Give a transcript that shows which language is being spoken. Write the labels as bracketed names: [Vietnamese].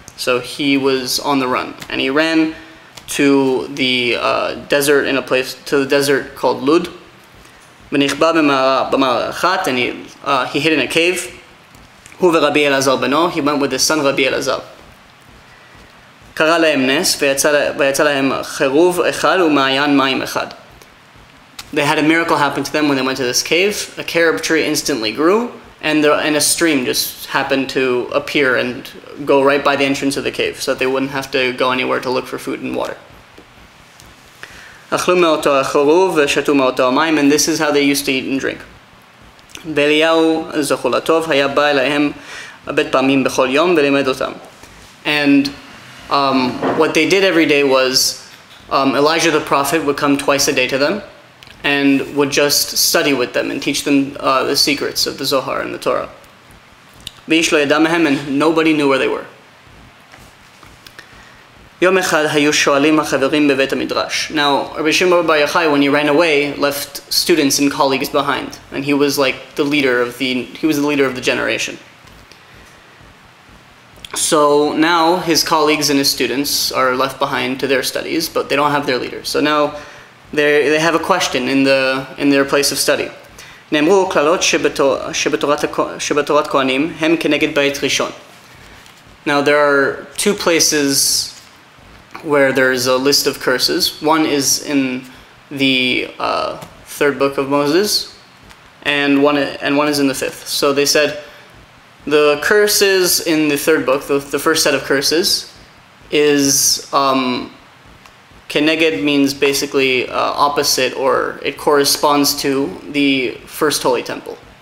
[English] So he was on the run, and he ran to the desert called Lud. And he hid in a cave. He went with his son Rabbi Elazar. [Hebrew] קרא להם נס, ויצא להם חירוב אחד ומעיין מים אחד. [English] They had a miracle happen to them when they went to this cave. A carob tree instantly grew, and a stream just happened to appear and go right by the entrance of the cave, so that they wouldn't have to go anywhere to look for food and water. [Hebrew] אכלו מאותו החירוב ושתו מאותו המים, [English] and this is how they used to eat and drink. [Hebrew] ואליהו זכור לטוב היה בא אליהם הרבה פעמים בכל יום ולימד אותם. [English] And what they did every day was Elijah the prophet would come twice a day to them and would just study with them and teach them the secrets of the Zohar and the Torah. And nobody knew where they were. Now, Rabbi Shimon Bar Yochai, when he ran away, left students and colleagues behind. And he was like the leader of the generation. So now his colleagues and his students are left behind to their studies, but they don't have their leader. So now they have a question in their place of study. [Hebrew] נאמרו קללות שבתורת הכהנים הם כנגד בית ראשון. [English] Now, there are two places where there's a list of curses. One is in the third book of Moses, and one is in the fifth. So they said the curses in the third book, the first set of curses, is keneged means basically opposite, or it corresponds to the first holy temple.